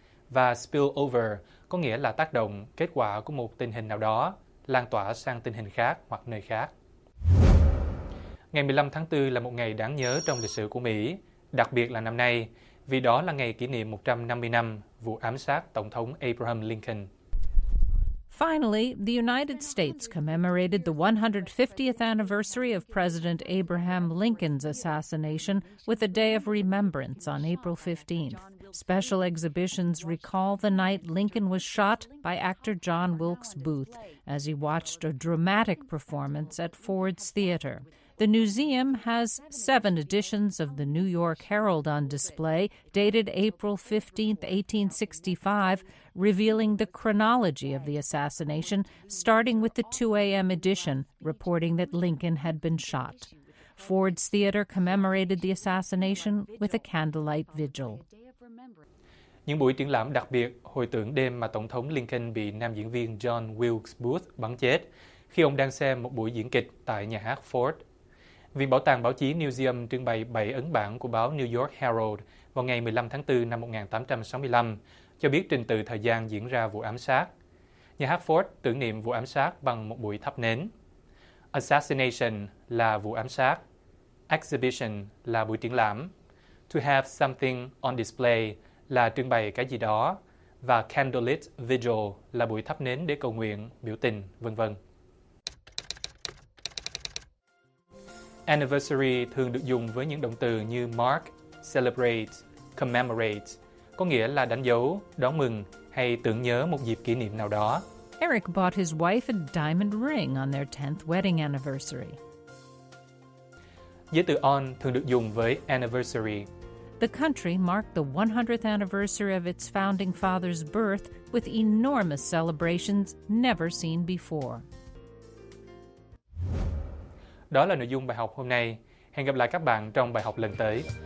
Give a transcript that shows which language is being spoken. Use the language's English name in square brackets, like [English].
[Vietnamese] Và spillover có nghĩa là tác động, kết quả của một tình hình nào đó, lan tỏa sang tình hình khác hoặc nơi khác. Ngày 15 tháng 4 là một ngày đáng nhớ trong lịch sử của Mỹ, đặc biệt là năm nay, vì đó là ngày kỷ niệm 150 năm vụ ám sát Tổng thống Abraham Lincoln. [English] Finally, the United States commemorated the 150th anniversary of President Abraham Lincoln's assassination with a day of remembrance on April 15th. Special exhibitions recall the night Lincoln was shot by actor John Wilkes Booth as he watched a dramatic performance at Ford's Theater. The museum has 7 editions of the New York Herald on display, dated April 15, 1865, revealing the chronology of the assassination, starting with the 2 a.m. edition, reporting that Lincoln had been shot. Ford's Theater commemorated the assassination with a candlelight vigil. [Vietnamese] Những buổi triển lãm đặc biệt hồi tưởng đêm mà Tổng thống Lincoln bị nam diễn viên John Wilkes Booth bắn chết khi ông đang xem một buổi diễn kịch tại nhà hát Ford. Viện Bảo tàng Báo chí Newseum trưng bày 7 ấn bản của báo New York Herald vào ngày 15 tháng 4 năm 1865, cho biết trình tự thời gian diễn ra vụ ám sát. Nhà hát Ford tưởng niệm vụ ám sát bằng một buổi thắp nến. Assassination là vụ ám sát. Exhibition là buổi triển lãm. [English] To have something on display [Vietnamese] là trưng bày cái gì đó. Và candlelit vigil là buổi thắp nến để cầu nguyện, biểu tình, v.v. Anniversary thường được dùng với những động từ như mark, celebrate, commemorate, có nghĩa là đánh dấu, đón mừng hay tưởng nhớ một dịp kỷ niệm nào đó. [English] Eric bought his wife a diamond ring on their 10th wedding anniversary. [Vietnamese] Giới từ on thường được dùng với anniversary. [English] The country marked the 100th anniversary of its founding father's birth with enormous celebrations never seen before. [Vietnamese] Đó là nội dung bài học hôm nay. Hẹn gặp lại các bạn trong bài học lần tới.